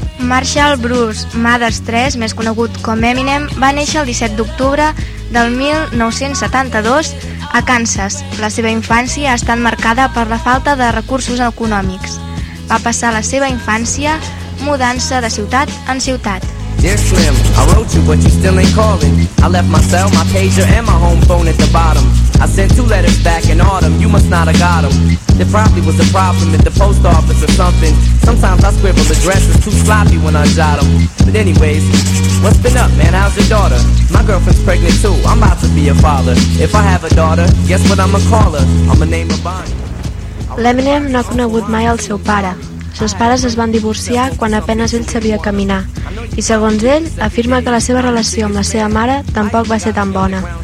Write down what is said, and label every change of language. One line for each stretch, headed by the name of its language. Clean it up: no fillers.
Catalan: Marshall Bruce Mathers III, més conegut com Eminem, va néixer el 17 d'octubre del 1972 a Kansas. La seva infància ha estat marcada per la falta de recursos econòmics. Va passar la seva infància mudant-se de ciutat en ciutat.
English: Dear Slim, I wrote you, but you still ain't calling. I left my cell, my pager, and my home phone at the bottom. I sent two letters back in autumn, you must not have got them. There probably was a problem at the post office or something. Sometimes I scribble addresses too sloppy when I jot them. But anyways, what's been up, man? How's your daughter? My girlfriend's pregnant too, I'm about to be a father. If I have a daughter, guess what I'ma call her? I'ma name her Bonnie.
Catalan: L'Eminem no ha conegut mai el seu pare. Els pares es van divorciar quan apenas ell sabia caminar i, segons ell, afirma que la seva relació amb la seva mare tampoc va ser tan bona.